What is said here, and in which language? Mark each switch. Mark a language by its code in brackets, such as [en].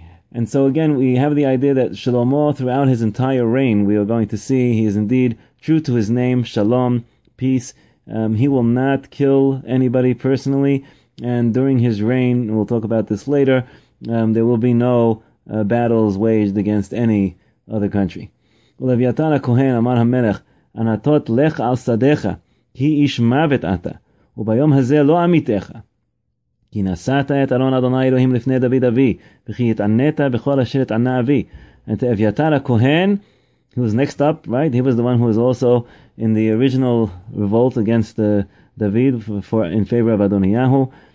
[en] And so again, we have the idea that Shlomo, throughout his entire reign, we are going to see he is indeed true to his name, Shalom, peace. He will not kill anybody personally, and during his reign, and we'll talk about this later, there will be no battles waged against any other country. [he] ולוויתר הכהן אמר המלך, ענתות לך על שדך, כי איש מוות אתה, וביום הזה לא עמיתך. כי נשאת את ארון אדוני אלוהים לפני דוד אבי, וכי התענית בכל אשר התענה אבי. [en] And to אביתר הכהן, he was next up, right? He was the one who was also in the original revolt against David in favor of Adoniyahu.